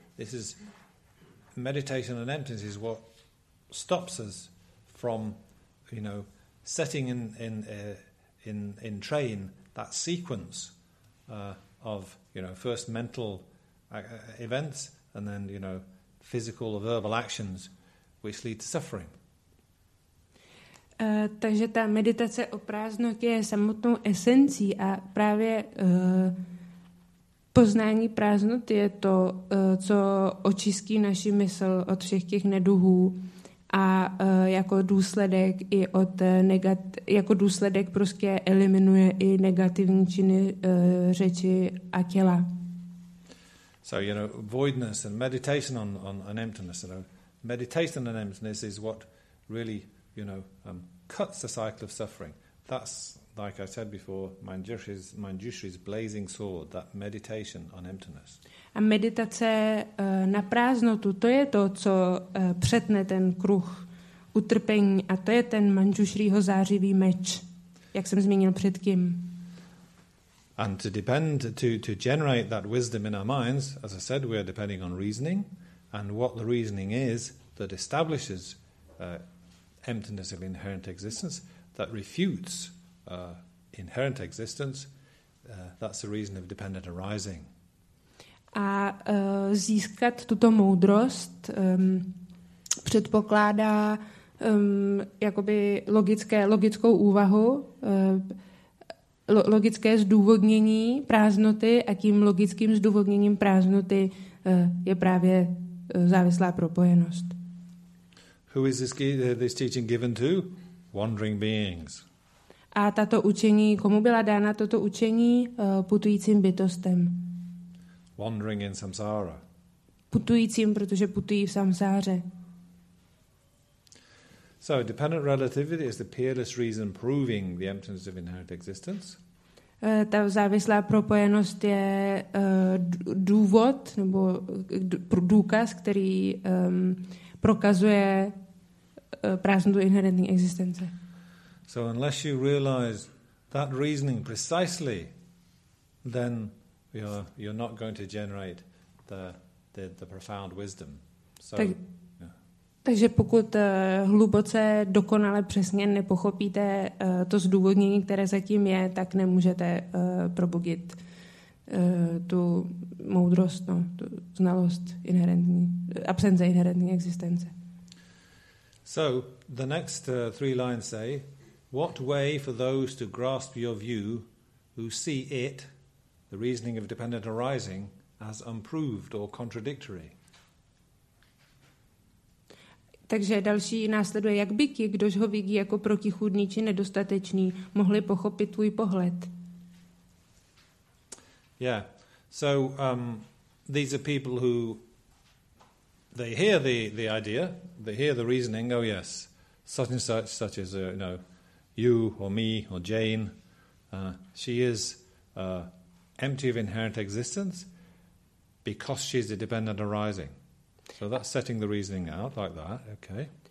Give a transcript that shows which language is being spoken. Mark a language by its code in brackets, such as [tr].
[en] This is meditation on emptiness is what stops us from, you know, setting in train that sequence of, you know, first mental events and then, you know, physical or verbal actions which lead to suffering. [cs] Takže ta meditace o prázdnotě je samotnou esencí a právě poznání prázdnot je to, co očistí naši mysl od všech těch neduhů a jako důsledek i od jako důsledek prostě eliminuje i negativní činy řeči a těla. [en] So you know, voidness and meditation on emptiness, you know, meditation on emptiness is what really, you know, cuts the cycle of suffering. That's, like I said before, Manjushri's blazing sword, that meditation on emptiness. [cs] A meditace na prázdnotu, to je to, co přetne ten kruh utrpení a to je ten Manjushriho zářivý meč, jak jsem zmínil předtím. [en] And to depend, to generate that wisdom in our minds, as I said, we are depending on reasoning and what the reasoning is that establishes emptiness of inherent existence, that refutes inherent existence, that's the reason of dependent arising. [cs] A získat tuto moudrost předpokládá jakoby logickou úvahu, logické zdůvodnění prázdnoty a tím logickým zdůvodněním prázdnoty je právě závislá propojenost. [en] Who is this teaching given to? Wandering beings. [cs] A tato učení, komu byla dána toto učení? Putujícím bytostem. [en] Wandering in samsara. [cs] Putujícím, protože putují v samsáře. [en] So, dependent relativity is the peerless reason proving the emptiness of inherent existence. [cs] Ta závislá propojenost je důvod, nebo důkaz, který prokazuje prázdnotu inherentní existence. [en] So unless you realize that reasoning precisely, then you're not going to generate the profound wisdom. So, [cs] takže pokud hluboce, dokonale, přesně nepochopíte to zdůvodnění, které zatím je, tak nemůžete probudit tu moudrost, no, tu znalost inherentní, absence inherentní existence. [en] So the next three lines say, what way for those to grasp your view who see it, the reasoning of dependent arising, as unproved or contradictory? [cs] Takže další následuje, jak by ti, kdož ho vidí jako protichůdný či nedostatečný, mohli pochopit tvůj pohled? [en] Yeah, so these are people who, they hear the idea, they hear the reasoning, oh yes, such and such, such as, you know, you or me or Jane, she is empty of inherent existence because she is a dependent arising. So that's setting the reasoning out like that, okay.